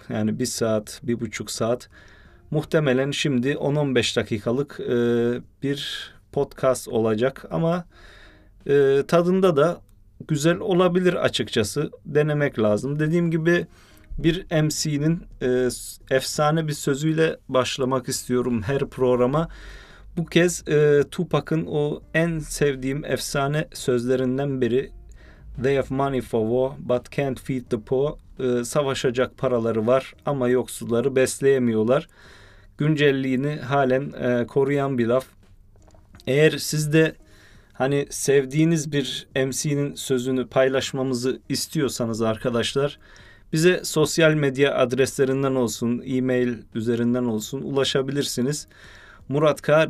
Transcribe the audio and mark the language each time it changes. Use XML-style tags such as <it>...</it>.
<tr>Yani 1 saat, 1,5 saat. Muhtemelen şimdi 10-15 dakikalık bir podcast olacak ama tadında da güzel olabilir açıkçası. Denemek lazım. Dediğim gibi bir MC'nin efsane bir sözüyle başlamak istiyorum her programa. Bu kez Tupac'ın o en sevdiğim efsane sözlerinden biri.</tr> <en>They have money for war but can't feed the poor.</en> <tr>Savaşacak paraları var ama yoksulları besleyemiyorlar. Güncelliğini halen koruyan bir laf. Eğer siz de hani sevdiğiniz bir MC'nin sözünü paylaşmamızı istiyorsanız arkadaşlar, bize sosyal medya adreslerinden olsun, e-mail üzerinden olsun ulaşabilirsiniz. Murat K.</tr>